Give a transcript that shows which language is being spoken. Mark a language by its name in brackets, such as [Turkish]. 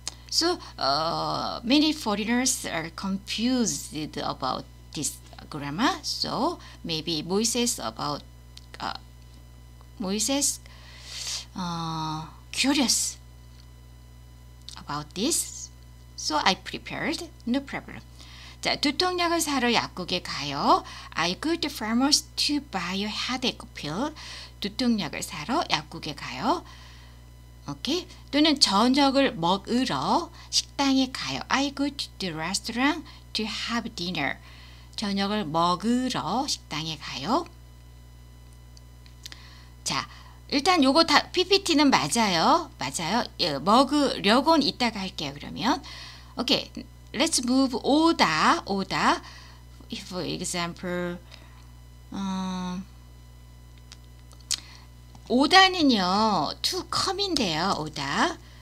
[English] So, many foreigners are confused about this grammar. So, maybe Moises about Moises curious about this. So I prepared. No problem. [Korean] 자, 두통약을 사러 약국에 가요. [English] I go to pharmacy to buy a headache pill. [Korean] 두통약을 사러 약국에 가요. 오케이. 또는 저녁을 먹으러 식당에 가요. [English] I go to the restaurant to have dinner. [Korean] 저녁을 먹으러 식당에 가요. 자, 일단 요거 다 PPT는 맞아요. 맞아요. 예, 먹으려고는 이따가 할게요. [English] 그러면 오케이. Let's move order. For example, order는요, to come인데요, order.